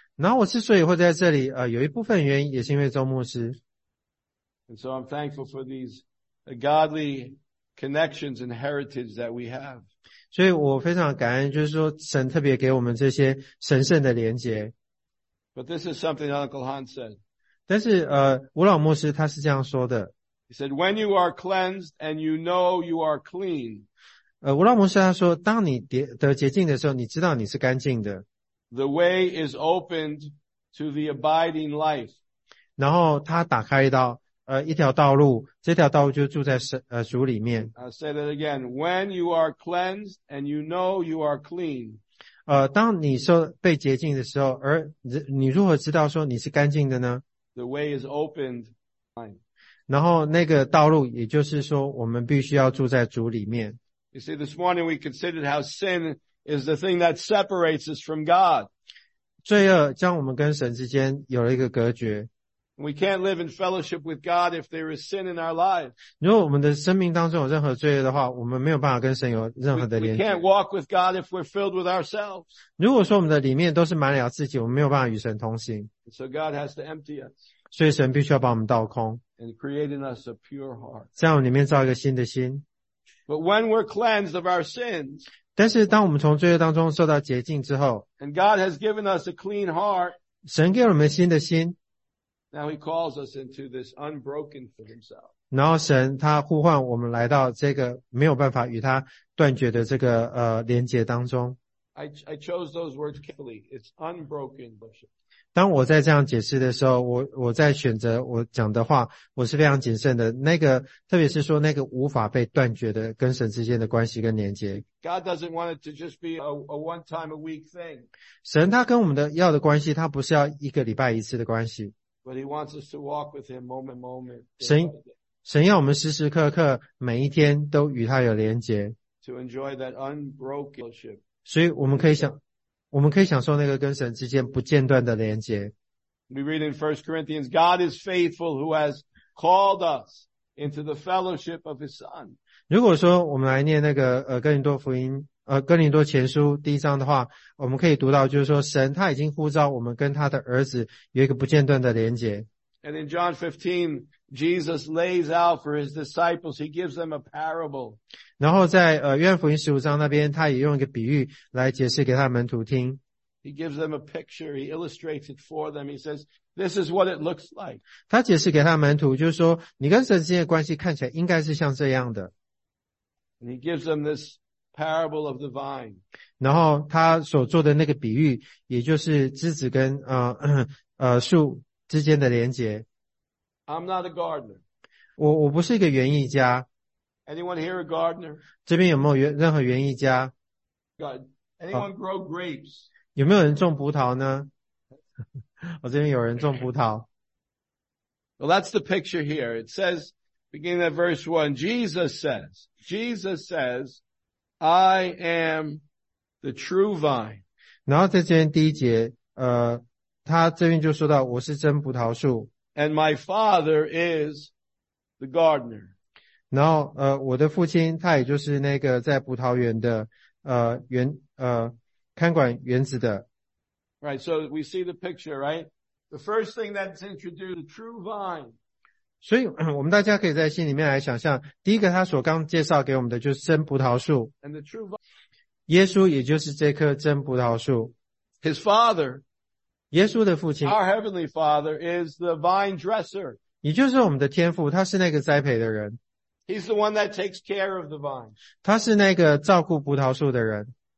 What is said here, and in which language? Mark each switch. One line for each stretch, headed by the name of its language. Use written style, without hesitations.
Chinese: 然后我之所以会在这里有一部分原因也是因为周牧师。
English: And so I'm thankful for these godly connections and heritage that we have.
Chinese: 所以我非常感恩，就是说神特别给我们这些神圣的连结。
English: But this is something Uncle Hans said.
Chinese: 但是吴老牧师他是这样说的。
English: He said, "When you are cleansed and you know you are clean."
Chinese: 吴老牧师他说，当你得洁净的时候，你知道你是干净的。
English: The way is opened to the abiding life.
Chinese: 然后他打开一条道路，这条道路就住在主里面。
English: I'll say that again. When you are cleansed and you know you are clean.
Chinese: 当你说被洁净的时候，而你如何知道说你是干净的呢？
English: The way is opened.
Chinese: 然后那个道路，也就是说我们必须要住在主里面。
English: You see, this morning we considered how sin is the thing that separates us from God.
Chinese: 罪恶将我们跟神之间有了一个隔绝。
English: We can't live in fellowship with God if there is sin in our lives.
Chinese: 如果我们的生命当中有任何罪恶的话，我们没有办法跟神有任何的连接。
English: We can't walk with God if we're filled with ourselves.
Chinese: 如果说我们的里面都是满了自己，我们没有办法与神同行。
English: So God has to empty us.
Chinese: 所以神必须要把我们倒空。
English: And creating us a pure heart.
Chinese: 在我们里面造一个新的心。
English: But when we're cleansed of our sins.
Chinese: 但是当我们从罪恶当中受到洁净之后。
English: And God has given us a clean heart.
Chinese: 神给我们新的心。
English: Now he calls us into this unbroken for himself.
Chinese: 然后神他呼唤我们来到这个没有办法与他断绝的这个连结当中。
English: I chose those words carefully. It's unbroken worship.
Chinese: 当我在这样解释的时候，我在选择我讲的话，我是非常谨慎的。那个特别是说那个无法被断绝的跟神之间的关系跟连结。
English: God doesn't want it to just be a one time a week thing.
Chinese: 神他跟我们的要的关系，他不是要一个礼拜一次的关系。
English: But he wants us to walk with him moment by moment.
Chinese: 神要我们时时刻刻每一天都与他有连结。
English: To enjoy that unbroken fellowship.
Chinese: 所以我们可以享受那个跟神之间不间断的连结。
English: We read in 1 Corinthians, God is faithful who has called us into the fellowship of his son.
Chinese: 如果说我们来念那个哥林多福音哥林多前书第一章的话，我们可以读到，就是说神他已经呼召我们跟他的儿子有一个不间断的连结。
English: And in John 15, Jesus lays out for his disciples, he gives them a parable.
Chinese: 然后在约翰福音15章那边，他也用一个比喻来解释给他的门徒听。
English: He gives them a picture, he illustrates it for them, he says, this is what it looks like.
Chinese: 他解释给他的门徒，就是说你跟神之间的关系看起来应该是像这样的。
English: And he gives them this,Parable of the vine.
Chinese: 然后他所做的那个比喻，也就是枝子跟树之间的连结。
English: I'm not a gardener.
Chinese: 我不是一个园艺家。
English: Anyone here a gardener?
Chinese: 这边有没有任何园艺家
English: ？God, anyone grow grapes?
Chinese: 有没有人种葡萄呢？我这边有人种葡萄。
English: Well, that's the picture here. It says, beginning at verse 1, Jesus says. I am the true vine.
Chinese: 然后在这边第一节，他这边就说到我是真葡萄树。
English: And my father is the gardener.
Chinese: 然后我的父亲他也就是那个在葡萄园的看管园子的。
English: Right, so we see the picture, right? The first thing that's introduced, the true vine.
Chinese: 所以我们大家可以在心里面来想象，第一个他所刚介绍给我们的就是真葡萄树。
English: And the true vine,
Chinese: 耶稣也就是这棵真葡萄树。
English: His father,
Chinese: 耶稣的父亲。
English: Our heavenly father is the vine dresser.
Chinese: 也就是我们的天父，他是那个栽培的人。
English: He's the one that takes care of the vine.
Chinese: 他是那个照顾葡萄树的人。